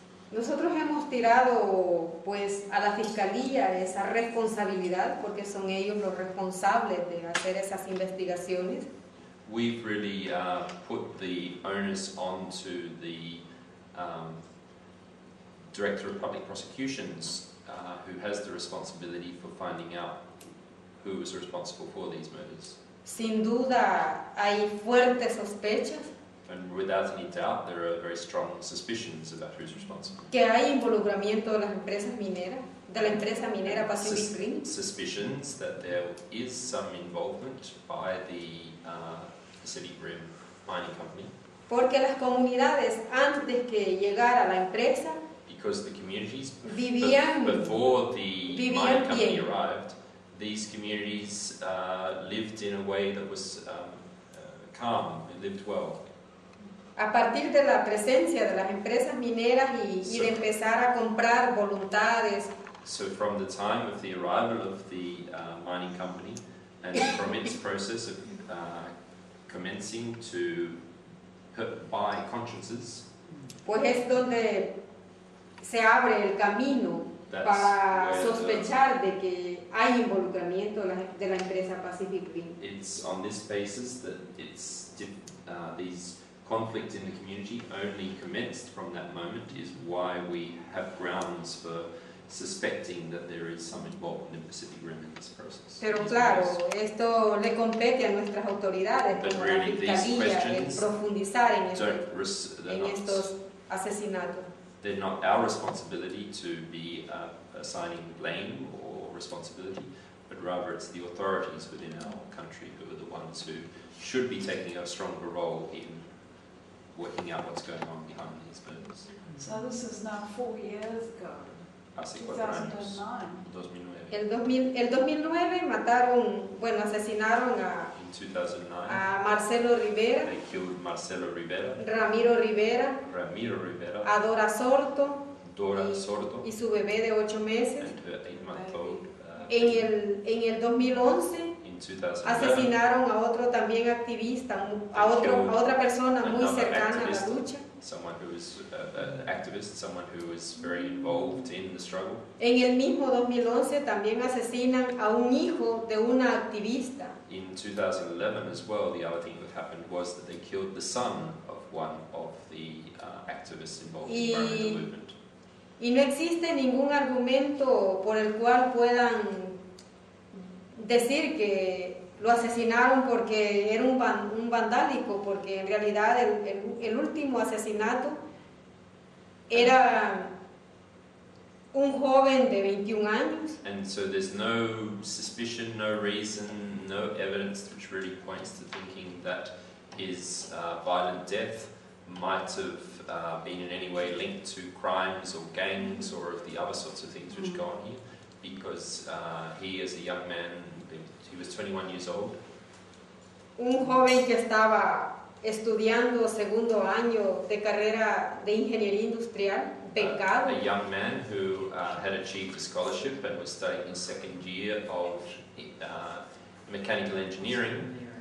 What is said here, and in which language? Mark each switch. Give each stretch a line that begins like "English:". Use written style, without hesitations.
Spanish: Nosotros hemos tirado pues a la fiscalía esa responsabilidad porque son ellos los responsables de hacer esas investigaciones.
English: We've really put the onus onto the Director of Public Prosecutions, who has the responsibility for finding out who was responsible for these murders.
Spanish: Sin duda hay fuertes sospechas.
English: And without any doubt, there are very strong suspicions about who's responsible.
Spanish: Que hay involucramiento de las empresas mineras, de la empresa minera Pacific Green.
English: Suspicions that there is some involvement by the Pacific Rim mining company.
Spanish: Porque las comunidades antes que llegara la empresa.
English: Because the communities
Spanish: vivían,
English: before the mining company arrived, these communities lived in a way that was calm. They lived well.
Spanish: A partir de la presencia de las empresas mineras y de empezar a comprar voluntades.
English: So from the time of the arrival of the mining company and from its process of commencing to buy consciences.
Spanish: Pues es donde se abre el camino para sospechar de que hay involucramiento de la empresa Pacific Green.
English: It's on this basis that it's these conflict in the community only commenced from that moment is why we have grounds for suspecting that there is some involvement in Pacific Rim in this process.
Spanish: Pero claro, esto le compete a nuestras autoridades, como la fiscalía, profundizar en estos asesinatos.
English: They're not our responsibility to be assigning blame or responsibility, but rather it's the authorities within our country who are the ones who should be taking a stronger role in working out what's going on behind these murders. So this is now 4 years ago. 2009.
Spanish: El 2009 mataron, bueno, asesinaron a.
English: In 2009.
Spanish: A Marcelo Rivera.
English: They killed Marcelo Rivera.
Spanish: Ramiro Rivera.
English: Ramiro Rivera.
Spanish: A Dora Sorto.
English: Dora Sorto.
Spanish: Y su bebé de 8 meses.
English: And her 8-month-old.
Spanish: En el 2011. Asesinaron a otro también activista, a otra persona muy cercana a la lucha.
English: Someone who was an activist, someone who was very involved in the struggle.
Spanish: En el mismo 2011 también asesinan a un hijo de una activista.
English: In 2011 as well, the other thing that happened was that they killed the son of one of the activists involved in the movement.
Spanish: Y no existe ningún argumento por el cual puedan decir que lo asesinaron porque era un vandálico, porque en realidad el último asesinato era un joven de 21 años.
English: And so there's no suspicion, no reason, no evidence which really points to thinking that his violent death might have been in any way linked to crimes or gangs or the other sorts of things which go on here, because he as a young man, he was 21 years old.
Spanish: Un joven que estaba estudiando segundo año de carrera de ingeniería industrial, becado.
English: A young man who had achieved a scholarship and was studying his second year of mechanical engineering.